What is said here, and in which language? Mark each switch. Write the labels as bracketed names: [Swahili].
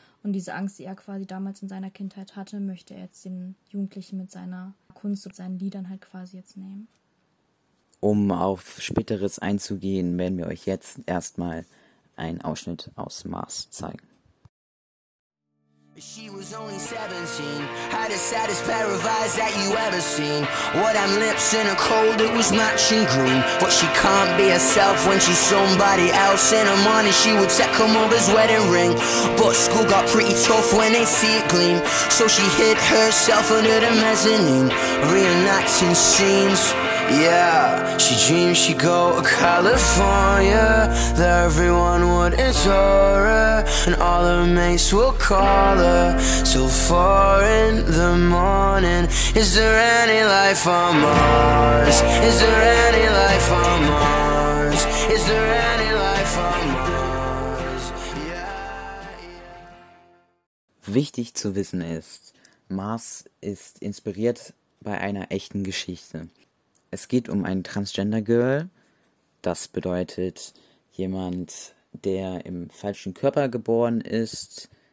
[German] Und diese Angst, die er quasi damals in seiner Kindheit hatte, möchte er jetzt den Jugendlichen mit seiner Kunst und seinen Liedern halt quasi jetzt nehmen. Um auf Späteres einzugehen, werden wir euch jetzt erstmal einen Ausschnitt aus Mars zeigen. [English] She was only 17, had the saddest pair of eyes that you ever seen. Wore them lips in a cold that was matching green. But she can't be herself when she's somebody else. In her morning she would take her mother's wedding ring. But school got pretty tough when they see it gleam. So she hid herself under the mezzanine, reenacting scenes. Yeah, she dreamed she'd go to California, that everyone would adore her, and all her mates will call her till 4 in the morning. Is there any life on Mars? Is there any life on Mars? Is there any life on Mars? [German] Wichtig zu wissen ist, Mars ist inspiriert bei einer echten Geschichte. Es geht um ein Transgender Girl, das bedeutet jemand, der im falschen Körper geboren ist.